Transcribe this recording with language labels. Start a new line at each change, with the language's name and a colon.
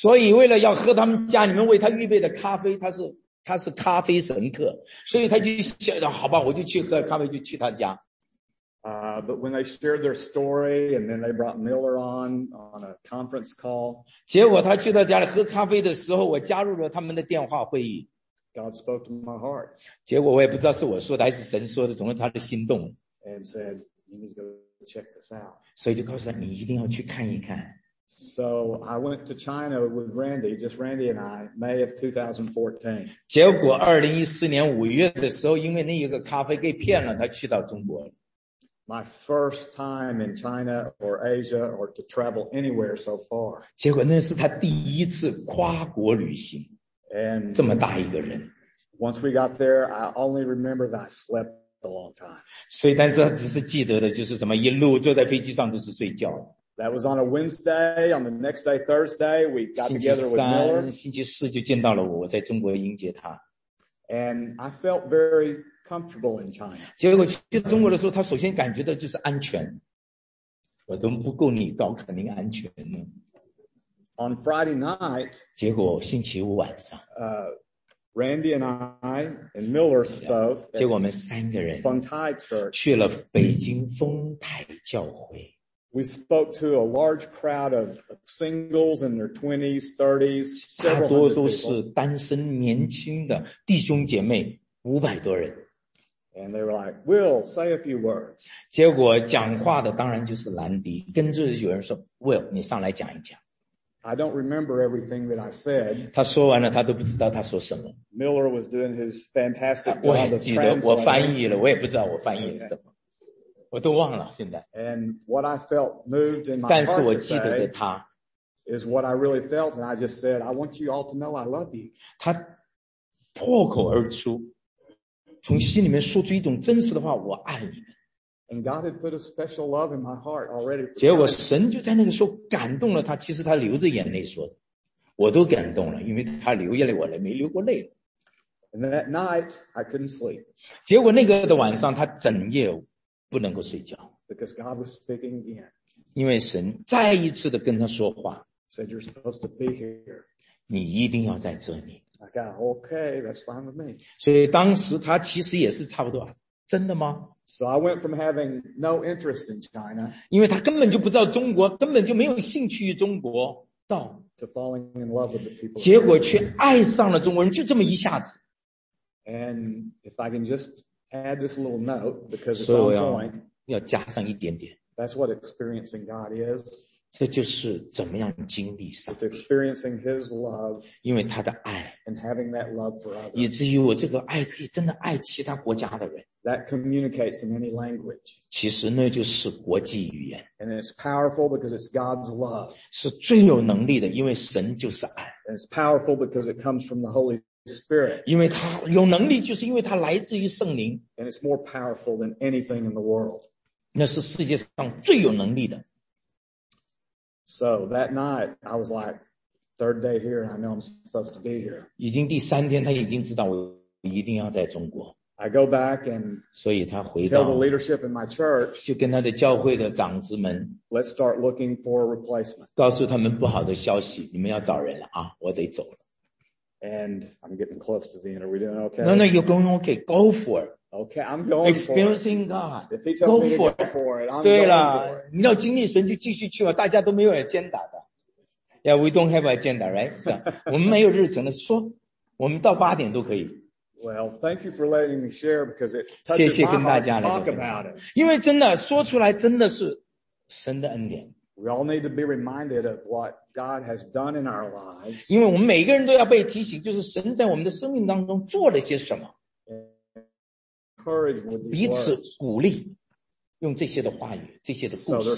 Chinese: 所以为了要喝他们家里面为他预备的咖啡，他是咖啡神客，所以他就想，好吧，我就去喝咖啡，就去他家。
English: But when they shared their story and then they brought Miller on a conference call.
Chinese: 结果他去到家里喝咖啡的时候，我加入了他们的电话会议。
English: God spoke to my heart.
Chinese: 结果我也不知道是我说的还是神说的，总之他的心动。
English: And said, you need to go check this out.
Chinese: 所以就告诉他，你一定要去看一看。
English: So I went to China with Randy, just Randy and I, May of 2014.
Chinese: 结果2014年5月的时候，因为那一个咖啡给骗了，他去到中国了。
English: My first time in China or Asia or to travel anywhere so far.
Chinese: 结果那是他第一次跨国旅行。
English: And
Chinese: 这么大一个人。
English: Once we got there, I only remember that I slept a long time.
Chinese: 所以但是他只是记得的就是什么一路坐在飞机上都是睡觉。
English: That was on a Wednesday. On the next day, Thursday, we got together with Miller.
Chinese: 星期四就见到了我，我在中国迎接他。
English: And I felt very comfortable in China.
Chinese: 结果去中国的时候，他首先感觉到就是安全。我都不够你高，肯定安全呢。
English: On Friday night,
Chinese: 结果星期五晚上
English: Randy and I and Miller spoke.
Chinese: 结果我们三个人
English: Feng Tai Church
Chinese: 去了北京丰台教会。
English: We spoke to a large crowd of singles in their 20s, 30s, several hundred people.
Chinese: 大多都是单身年轻的弟兄姐妹500多人。
English: And they were like, Will, say a few words.
Chinese: 结果讲话的当然就是兰迪，跟着有人说 Will, 你上来讲一讲。
English: I don't remember everything that I said.
Chinese: 他说完了，他都不知道他说什么。
English: Miller was doing his fantastic job of translating.
Chinese: 我翻译了，我也不知道我翻译了什么。我都忘了现在。
English: And what I felt moved in my heart to say is what I really felt, and I just said, I want you all to know I love you.
Chinese: 他破口而出，从心里面说出一种真实的话，我爱你们。
English: And God had put a special love in my heart already.
Chinese: 结果神就在那个时候感动了他，其实他流着眼泪说，我都感动了，因为他流眼泪，我没流过泪。
English: And that night, I couldn't sleep.
Chinese: 结果那个的晚上，他整夜不能够睡觉。
English: Because God was speaking again.
Chinese: 因为神再一次的跟他说话。
English: Said you're supposed to be here.
Chinese: 你一定要在这里。
English: I got, okay, that's fine with me.
Chinese: 所以当时他其实也是差不多，真的吗？
English: So I went from having no interest in China.
Chinese: 因为他根本就不知道中国，根本就没有兴趣于中国，到
English: to falling in love with the people.
Chinese: 结果却爱上了中国人，就这么一下子。
English: And if I can just add this little note because it's ongoing.
Chinese: 要加上一点点。
English: That's what experiencing God is.
Chinese: 这就是怎么样经历上。
English: It's experiencing His love.
Chinese: 因为他的爱。
English: And having that love for others.
Chinese: 以至于我这个爱可以真的爱其他国家的人。
English: That communicates in any language.
Chinese: 其实那就是国际语言。
English: And it's powerful because it's God's love.
Chinese: 是最有能力的，因为神就是爱。
English: And it's powerful because it comes from the Holy Spirit. Spirit.
Chinese: 因为他有能力就是因为他来自于圣灵。
English: And it's more powerful than anything in the world.
Chinese: 那是世界上最有能力的。
English: So that night, I was like, third day here, and I know I'm supposed to be here.
Chinese: 已经第三天他已经知道我一定要在中国。
English: I go back and
Chinese: 所以他回到
English: tell the leadership in my church,
Chinese: 就跟他的教会的长子们
English: let's start looking for a replacement.
Chinese: 告诉他们不好的消息，你们要找人了啊，我得走了。
English: And I'm getting close to the end. Are we doing okay? No, no, you're going okay. Go for it. Okay, I'm going Experiencing for it. God. If he tells me for to go for it, I'm
Chinese: 对啦
English: going for it.
Chinese: 你要经历神就继续去吧，大家都没有 agenda 的。
English: Yeah, we don't have agenda, right?
Chinese: 是啊，我们没有日程的，说我们到八点都可以。
English: Well, thank you for letting me share because it touches
Chinese: 谢谢跟大家来
English: talk about it.
Chinese: 因为真的说出来真的是神的恩典。
English: We all need to be reminded of what God has done in our lives.
Chinese: 因为我们每个人都要被提醒，就是神在我们的生命当中做了些什么。
English: Encourage with these words.
Chinese: 彼此鼓励，用这些的话语，这些的故事。